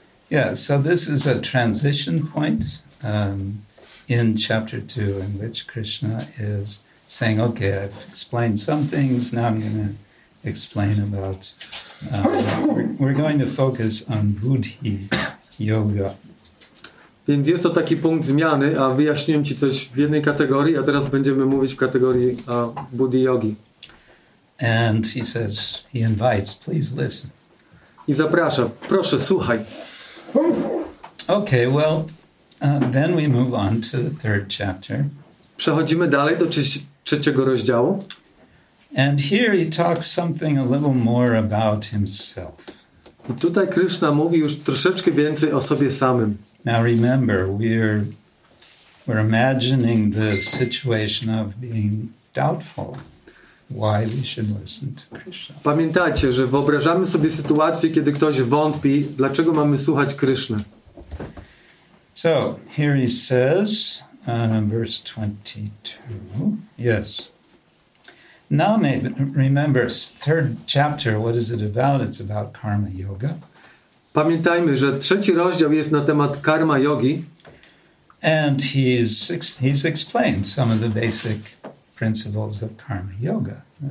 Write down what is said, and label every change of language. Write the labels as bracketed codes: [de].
[en] Yeah, so this is a transition point in chapter 2 in which Krishna is saying, okay, I've explained some things, now I'm going to explain about we're going to focus on buddhi yoga. [pl] Więc jest to taki punkt zmiany, a wyjaśniłem ci coś w jednej kategorii, a teraz będziemy mówić w kategorii buddhi yogi. [en] And he says, he invites, please listen. [pl] I zaprasza, proszę, słuchaj. [en] Okay, well, then we move on to the third chapter. [pl] Przechodzimy dalej do trzeciego rozdziału. [en] And here he talks something a little more about himself. [pl] I tutaj Krishna mówi już troszeczkę więcej o sobie samym. [en] Now remember, we're imagining the situation of being doubtful. Why we should listen to Krishna. [pl] Pamiętajcie, że wyobrażamy sobie sytuację, kiedy ktoś wątpi, dlaczego mamy słuchać Krishna. [en] So, here he says, verse 22, yes. Now, remember, third chapter, what is it about? It's about karma yoga. [pl] Pamiętajmy, że trzeci rozdział jest na temat karma yogi. [en] And he's explained some of the basic principles of karma yoga.